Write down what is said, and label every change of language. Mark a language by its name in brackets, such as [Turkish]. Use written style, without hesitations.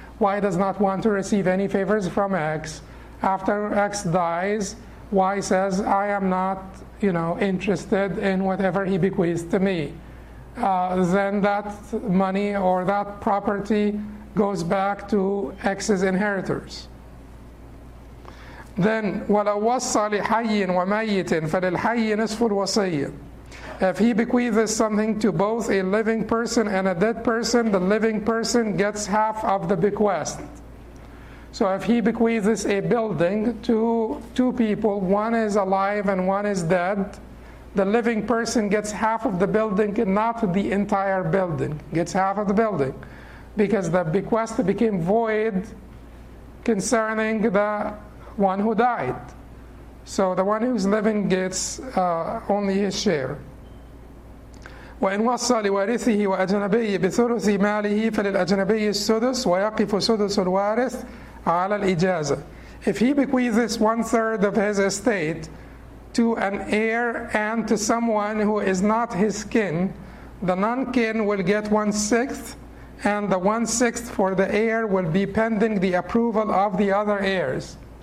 [English] Y does not want to receive any favors from X. After X dies, Y says, I am not, you know, interested in whatever he bequeathed to me. Then that money or that property goes back to X's inheritors. [Arabic] Then, وَلَوْ وَصَّى لِحَيِّنْ وَمَيِّتٍ فَلِلْحَيِّ نِصْفُ الْوَصِيِّ. [English] If he bequeathes something to both a living person and a dead person, the living person gets half of the bequest. So if he bequeaths a building to two people, one is alive and one is dead, the living person gets half of the building, not the entire building, gets half of the building, because the bequest became void concerning the one who died. So the one who's living gets only his share. [Arabic] وإن وصى لوارثه وأجنبيه بثلث ماله فللأجنبي السدس ويقف سدس الوارث على الإجازة. [English] If he bequeaths one third of his estate to an heir and to someone who is not his kin, the non-kin will get one sixth, and the one sixth for the heir will be pending the approval of the other heirs.